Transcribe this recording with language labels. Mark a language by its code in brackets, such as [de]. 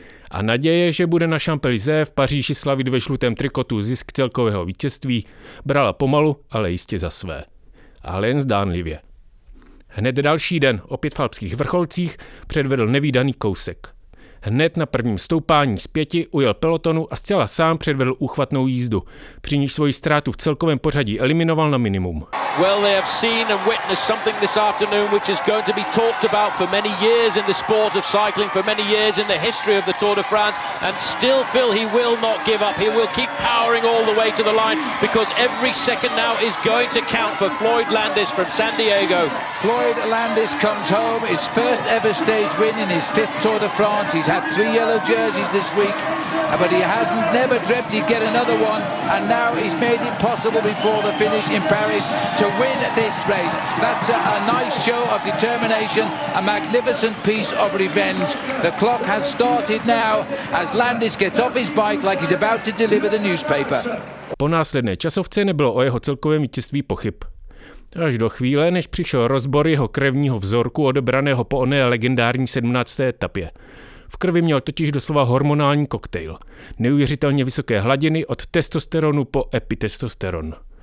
[cs] A naděje, že bude na Champs-Élysées v Paříži slavit ve žlutém trikotu zisk celkového vítězství, brala pomalu, ale jistě za své. Ale jen zdánlivě. Hned další den, opět v alpských vrcholcích, předvedl nevídaný kousek. Hned na prvním stoupání z 5 ujel pelotonu a zcela sám předvedl úchvatnou jízdu, při níž svoji ztrátu v celkovém pořadí eliminoval na minimum. [en] Well, they have seen and witnessed something this afternoon which is going to be talked about for many years in the sport of cycling, for many years in the history of the Tour de France, and still Phil, he will not give up. He will keep powering all the way to the line because every second now is going to count for Floyd Landis from San Diego. Floyd Landis comes home, his first ever stage win in his 5th Tour de France. He's had 3 yellow jerseys this week. but he hasn't never dreamt he'd get another one, and now he's made it possible before the finish in Paris to win this race. That's a nice show of determination, a magnificent piece of revenge. The clock has started now as Landis gets off his bike like he's about to deliver the newspaper. [cs] Po následné časovce nebylo o jeho celkovém vítězství pochyb. Až do chvíle, než přišel rozbor jeho krevního vzorku odebraného po oné legendární 17. etapě. V krvi měl totiž doslova hormonální koktejl. Neuvěřitelně vysoké hladiny od testosteronu po epitestosteron.